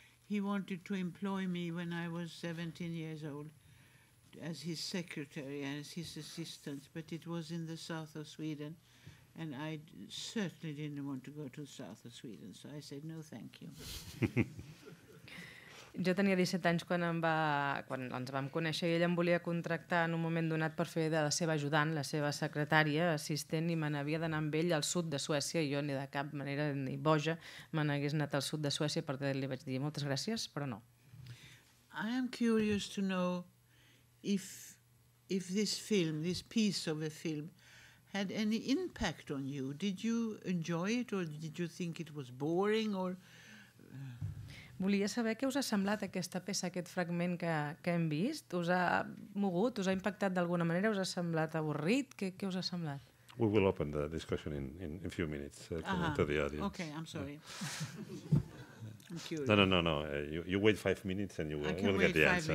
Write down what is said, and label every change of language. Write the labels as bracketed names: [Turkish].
[English] He wanted to employ me when I was 17 years old as his secretary, as his assistant, but it was in the south of Sweden And I certainly didn't want to go to the south of Sweden, so I said, no, thank you. [Catalan] Jo tenia 17 anys quan, quan ens vam conèixer i ella em volia contractar en un moment donat per fer de la seva ajudant, la seva secretària, assistent, i me n'havia d'anar amb ell al sud de Suècia i jo ni de cap manera, ni boja, me n'hagués anat al sud de Suècia perquè li vaig dir moltes gràcies, però no. [English] I am curious to know if this film, this piece of a film, had any impact on you. Did you enjoy it or did you think it was boring or... [Catalan] Volia saber què us ha semblat aquesta peça, aquest fragment que hem vist. Us ha mogut, us ha impactat d'alguna manera, us ha semblat avorrit? Què us ha semblat? [English] We will open the discussion in a few minutes, coming to the audience. Okay, I'm sorry. I'm curious. No. You wait 5 minutes and we'll get the answer.